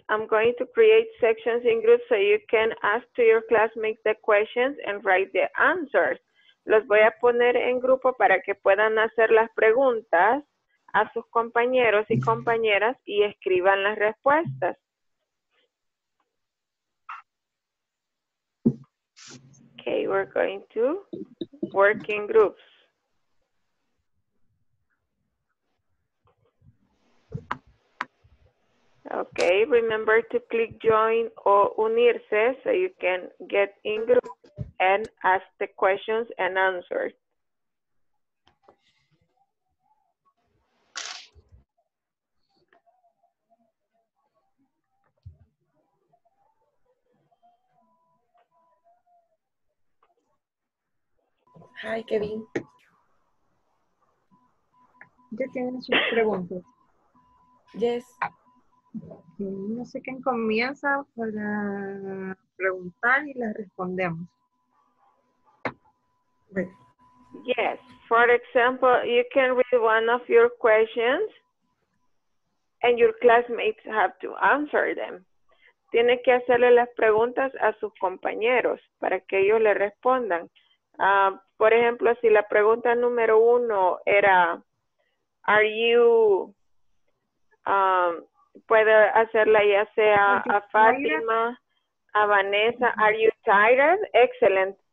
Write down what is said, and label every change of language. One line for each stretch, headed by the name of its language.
English: I'm going to create sections in groups so you can ask to your classmates the questions and write the answers.
Spanish: Los voy a poner en grupo para que puedan hacer las preguntas a sus compañeros y compañeras y escriban las respuestas.
English: Okay, we're going to work in groups. Okay, remember to click join or unirse so you can get in groups and ask the questions and answers. Hi, Kevin.
Spanish: ¿Ya tienes una pregunta?
English: Yes.
Spanish: No sé quién comienza para preguntar y la respondemos.
English: Yes. For example, you can read one of your questions and your classmates have to answer them.
Spanish: Tiene que hacerle las preguntas a sus compañeros para que ellos le respondan. Por ejemplo, si la pregunta número uno era,
English: are you,
Spanish: puede hacerla ya sea a Fátima, a Vanessa,
English: are you tired? Excellent.